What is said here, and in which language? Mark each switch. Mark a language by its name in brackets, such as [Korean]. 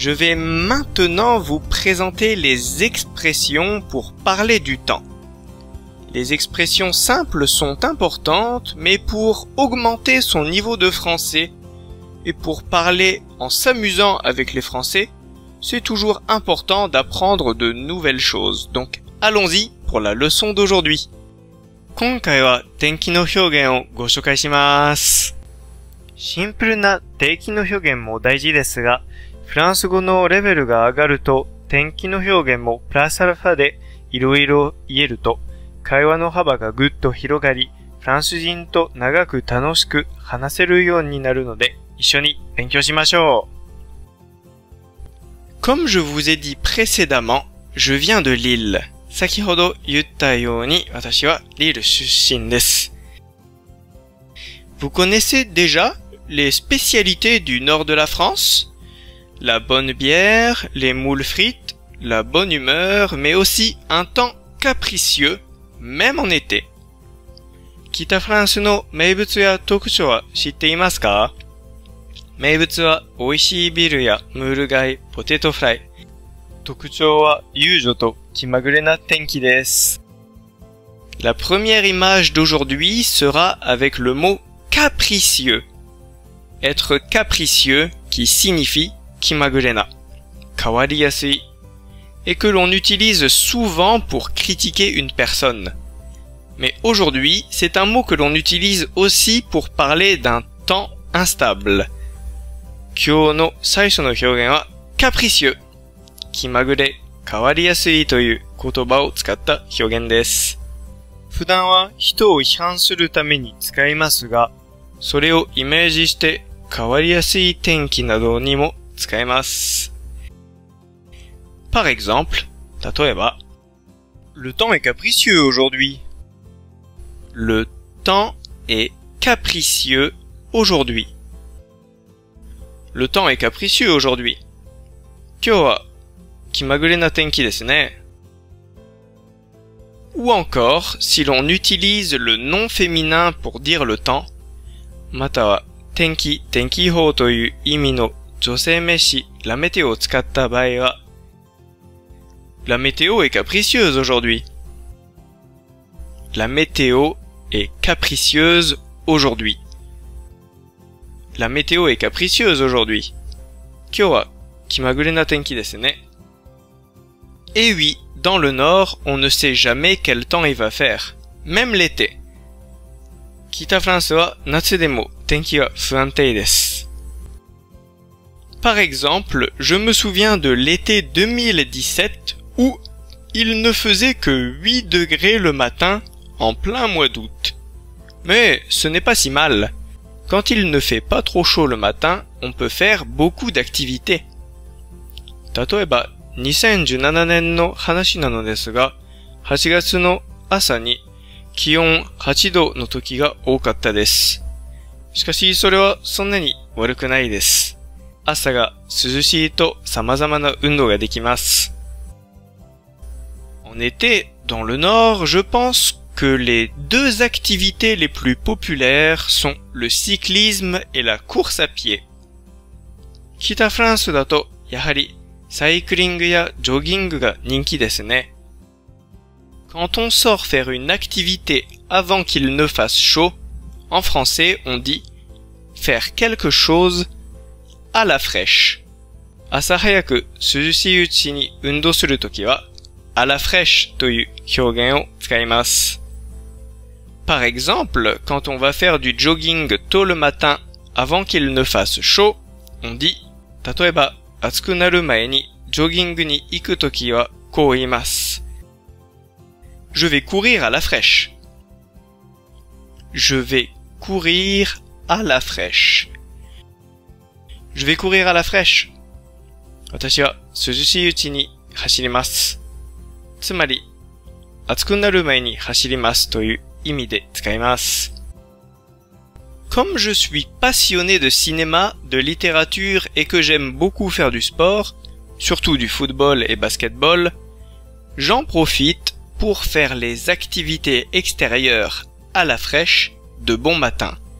[French] Je vais maintenant vous présenter les expressions pour parler du temps. Les expressions simples sont importantes, mais pour augmenter son niveau de français et pour parler en s'amusant avec les Français, c'est toujours important d'apprendre de nouvelles choses. Donc, allons-y pour la leçon d'aujourd'hui. [Japanese] 今回は天気の表現をご紹介します。シンプルな天気の表現も大事ですが、フランス語のレベルが上がると天気の表現もプラスアルファでいろいろ言えると、会話の幅がぐっと広がり、フランス人と長く楽しく話せるようになるので、一緒に勉強しましょう。 [French] Comme je vous ai dit précédemment, je viens de Lille. [Japanese] 先ほど言ったように、私はリール出身です。 [French] Vous connaissez déjà les spécialités du nord de la France? La bonne bière, les moules frites, la bonne humeur, mais aussi un temps capricieux. Même en été. [Japanese] 北フランスの名物や特徴は知っていますか? 名物は美味しいビールやムール貝、ポテトフライ。特徴は遊女と気まぐれな天気です。 [French] La première image d'aujourd'hui sera avec le mot capricieux. Être capricieux qui signifie [Japanese] 気まぐれな。変わりやすい。 [French] Et que l'on utilise souvent pour critiquer une personne. Mais aujourd'hui, c'est un mot que l'on utilise aussi pour parler d'un temps instable. [Japanese] 今日の最初の表現は capricieux. 気まぐれ、変わりやすいという言葉を使った表現です。普段は人を批判するために使いますが、それをイメージして変わりやすい天気などにも使えます。 [French] Par exemple, [Japanese] 例えば、 [French] Le temps est capricieux aujourd'hui. Le temps est capricieux aujourd'hui. Le temps est capricieux aujourd'hui. [Japanese] 今日は、気まぐれな天気ですね。 [French] Ou encore, si l'on utilise le nom féminin pour dire le temps, [Japanese] または、天気、天気予報という意味の女性名詞、ラメテオを使った場合は、 [French] La météo est capricieuse aujourd'hui. La météo est capricieuse aujourd'hui. La météo est capricieuse aujourd'hui. [Japanese] 今日は気まぐれな天気ですね。 [French] Et oui, dans le nord, on ne sait jamais quel temps il va faire, même l'été. [Japanese] 北フランスは夏でも天気は不安定です。 [French] Par exemple, je me souviens de l'été 2017. Où il ne faisait que 8 degrés le matin en plein mois d'août. Mais ce n'est pas si mal. Quand il ne fait pas trop chaud le matin, on peut faire beaucoup d'activités. [Japanese] 例えば、2017年の話なのですが、8月の朝に気温8度の時が多かったです。しかしそれはそんなに悪くないです。朝が涼しいと様々な運動ができます。 [French] En été, dans le nord, je pense que les deux activités les plus populaires sont le cyclisme et la course à pied. [Japanese] 北フランスだと、やはり、サイクリングやジョギングが人気ですね。 [French] Quand on sort faire une activité avant qu'il ne fasse chaud, en français on dit faire quelque chose à la fraîche. [Japanese] 朝早く涼しいうちに運動するときは、 [French] à la fraîche [Japanese] という表現を使います。 [French] Par exemple, quand on va faire du jogging tôt le matin avant qu'il ne fasse chaud, on dit [Japanese] 例えば、暑くなる前にジョギングに行くときはこう言います。 [French] Je vais courir à la fraîche. Je vais courir à la fraîche. Je vais courir à la fraîche. [Japanese] 私は涼しいうちに走ります。つまり、暑くなる前に走りますという意味で使います。 [French] Comme je suis passionné de cinéma, de littérature et que j'aime beaucoup faire du sport, surtout du football et basketball, j'en profite pour faire les activités extérieures à la fraîche de bon matin.